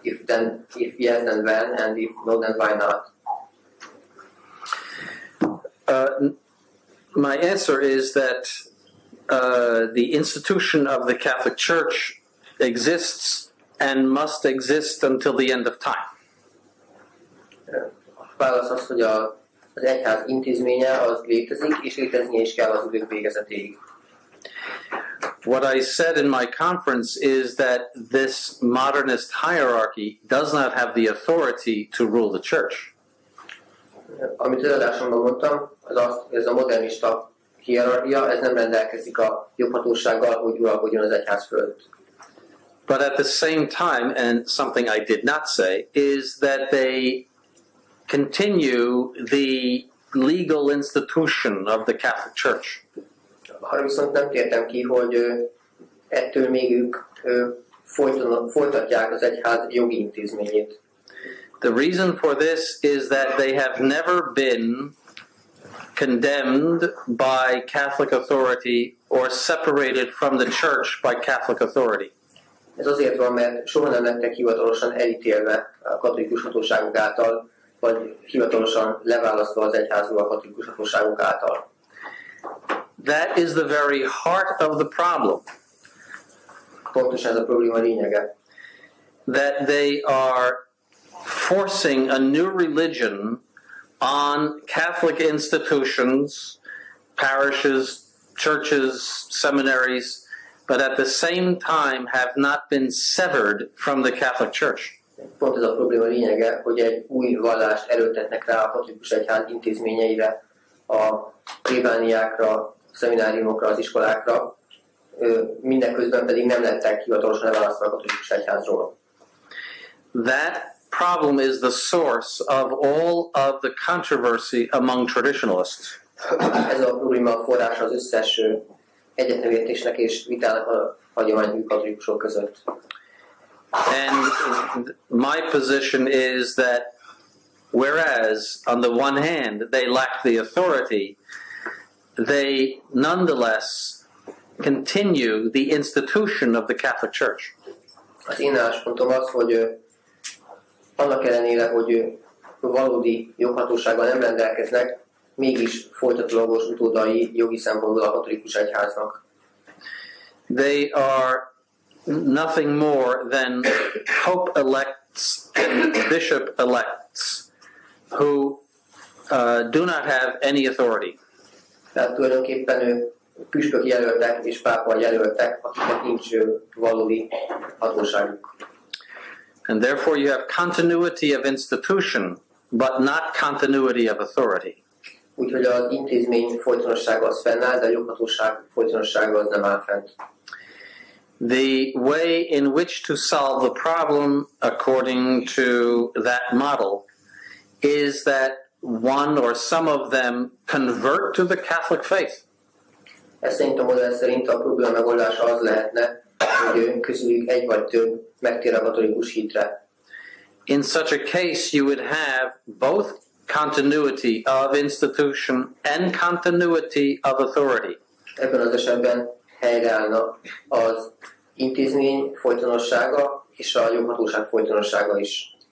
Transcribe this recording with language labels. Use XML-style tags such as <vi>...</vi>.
<en>If yes, then when? And if no, then why not? My answer is that the institution of the Catholic Church exists and must exist until the end of time.</en> <hu>Válasz az, hogy az egyház intézménye az létezik, és létezni is kell az idők végezetéig.</hu> <en>What I said in my conference is that this modernist hierarchy does not have the authority to rule the church.</en> <hu>Amit az adásomban mondtam, az azt, ez a modernista hierarchia, ez nem rendelkezik a joghatósággal, hogy uralkodjon az egyház fölött.</hu> <en>But at the same time, and something I did not say, is that they continue the legal institution of the Catholic Church.</en> <hu>Ha viszont nem tértem ki, hogy ettől még ők folytatják az egyház jogi intézményét.</hu> <en>The reason for this is that they have never been condemned by Catholic authority or separated from the church by Catholic authority.</en> <hu>Ez azért van, mert soha nem lettek hivatalosan elítélve a katolikus hatóságok által, vagy hivatalosan leválasztva az egyházról a katolikus hatóságok által.</hu> <en>That is the very heart of the problem.</en> <hu>Pontosan ez a probléma lényege.</hu> <en>That they are forcing a new religion on Catholic institutions, parishes, churches, seminaries, but at the same time have not been severed from the Catholic Church.</en> <hu>Pont ez a probléma lényege, hogy egy új vallást erőltetnek rá a katolikus egyház intézményeire, a plébániákra, szemináriumokra, az iskolákra, mindeközben pedig nem lettek hivatalosan leválasztva a katolikus egyházról.</hu> <en>That problem is the source of all of the controversy among traditionalists.</en> <hu>Ez a probléma a forrása az összes egyetemértésnek és vitának a hagyományi katolikusok között.</hu> <en>And my position is that whereas on the one hand they lack the authority, they nonetheless continue the institution of the Catholic Church.</en> <hu>Az én álláspontom az, hogy annak ellenére, hogy valódi joghatósággal nem rendelkeznek, mégis folytatólagos utódai jogi szempontból a katolikus egyháznak.</hu> <en>They are nothing more than Pope elects and Bishop elects who do not have any authority.</en> <hu>Tehát tulajdonképpen püspök jelöltek és pápa jelöltek, akiknek nincs valódi hatóságuk.</hu> <en>And therefore you have continuity of institution, but not continuity of authority.</en> <hu>Úgyhogy az intézmény folytonossága az fennáll, de a joghatóság folytonossága az nem áll fent.</hu> <en>The way in which to solve the problem according to that model is that one or some of them convert to the Catholic faith.</en> <hu>Ez szerint a modell szerint a probléma megoldása az lehetne, hogy közülük egy vagy több megtér a katolikus hitre.</hu> <en>In such a case you would have both continuity of institution and continuity of authority.</en> <hu>Ebben az esetben helyreállna az intézmény folytonossága és a joghatóság folytonossága is.</hu>